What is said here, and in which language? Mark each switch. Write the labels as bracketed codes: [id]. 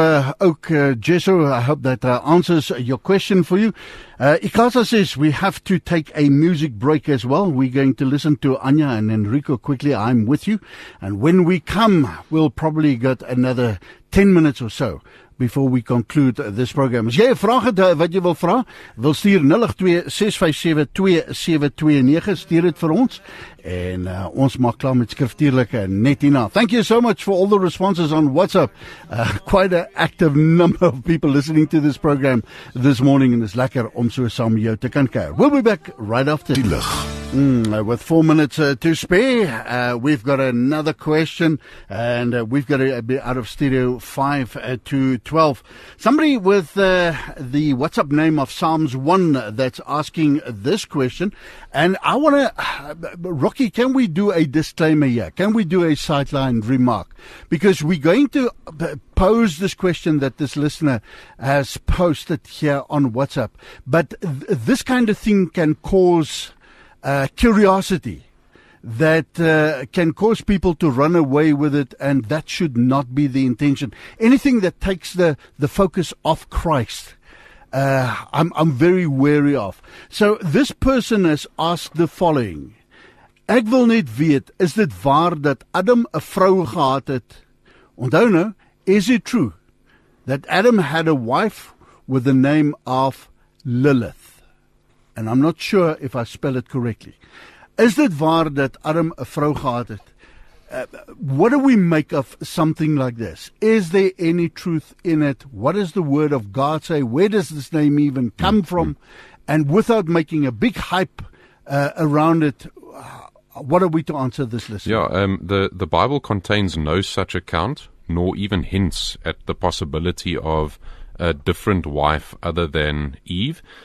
[en] I hope that answers your question for you. Ikasa says we have to take a music break as well. We're going to listen to Anya and Enrico quickly. I'm with you. And when we come, we'll probably get another 10 minutes or so before we conclude this program. [af] As jy 'n vraag het wat jy wil vra, wil stuur 0826572729. Stuur dit vir ons. En ons maak klaar met skriftuurlike net hierna. [en] Thank you so much for all the responses on WhatsApp. Quite an active number of people listening to this program this morning. [af] En is lekker om so saam jou te kan kuier. [en] We'll be back right after. [af] Die lig. [en] With 4 minutes to spare, we've got another question, and we've got to be out of studio 5 to 12. Somebody with the WhatsApp name of Psalms 1 that's asking this question, and I want to, Rocky, can we do a disclaimer here? Can we do a sideline remark? Because we're going to pose this question that this listener has posted here on WhatsApp, but this kind of thing can cause curiosity that can cause people to run away with it, and that should not be the intention. Anything that takes the focus off Christ, I'm very wary of. So this person has asked the following. [af] Ek wil net weet, is dit waar dat Adam 'n vrou gehad het? Onthou nou, [en] is it true that Adam had a wife with the name of Lilith? And I'm not sure if I spell it correctly. [af] Is dit waar dat Adam 'n vrou gehad het? [en] What do we make of something like this? Is there any truth in it? What does the word of God say? Where does this name even come from? And without making a big hype around it, what are we to answer this listener? Yeah, the Bible contains no such account, nor even hints at the possibility of a different wife other than Eve.